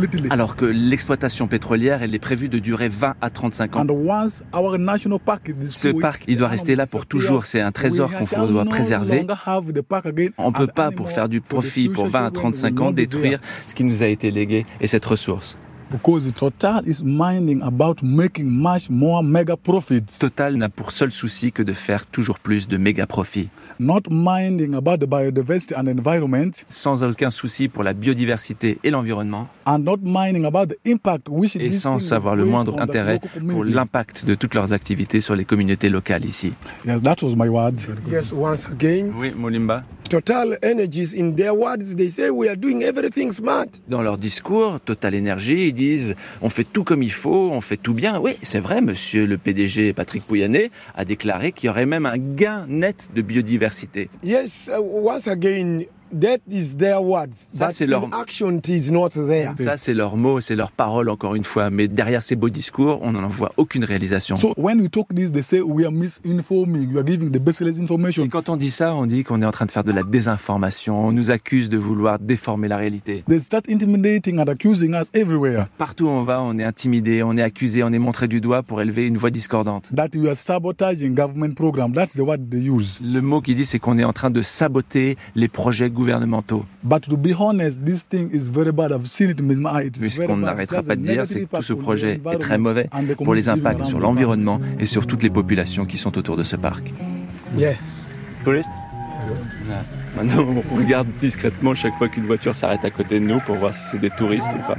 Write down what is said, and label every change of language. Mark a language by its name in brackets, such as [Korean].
[French] Alors que l'exploitation pétrolière, elle est prévue de durer 20 à 35 ans. Ce parc il doit rester là pour toujours. C'est un trésor qu'on doit préserver. On ne peut pas, pour faire du profit pour 20 à 35 ans, détruire ce qui nous a été légué et cette ressource. [English] Because Total is minding about making much more mega profits. [French] Total n'a pour seul souci que de faire toujours plus de méga profits. [English] Not minding about the biodiversity and environment. [French] Sans aucun souci pour la biodiversité et l'environnement. [English] And not minding about the impact which [French] et sans avoir le moindre intérêt pour l'impact de toutes leurs activités sur les communautés locales ici. [English] Yes, that was my word. Yes, once again. [French] Oui, Mulimba. [English] Total Energies, in their words, they say we are doing everything smart. [French] Dans leur discours, Total Energy, ils disent on fait tout comme il faut, on fait tout bien. Oui, c'est vrai, monsieur le PDG Patrick Pouyanné a déclaré qu'il y aurait même un gain net de biodiversité. [English] Yes, once again. That is their words. [French] Ça, c'est leur... [English] Action is not there. [French] Ça, c'est leurs mots, c'est leurs paroles, encore une fois. Mais derrière ces beaux discours, on n'en voit aucune réalisation. Et quand on dit ça, on dit qu'on est en train de faire de la désinformation. On nous accuse de vouloir déformer la réalité. [English] They start intimidating and accusing us everywhere. [French] Partout où on va, on est intimidé, on est accusé, on est montré du doigt pour élever une voix discordante. [English] That you are sabotaging government program. That's the word they use. [French] Le mot qu'ils disent, c'est qu'on est en train de saboter les projets gouvernementaux. [English] But to be honest, this thing is very bad. I've seen it with my eyes. [French] Mais ce qu'on n'arrêtera pas de dire, c'est que tout ce projet est très mauvais pour les impacts sur l'environnement et sur toutes les populations qui sont autour de ce parc. [English] Yes. [French] Touriste? Maintenant, on regarde discrètement chaque fois qu'une voiture s'arrête à côté de nous pour voir si c'est des touristes ou pas.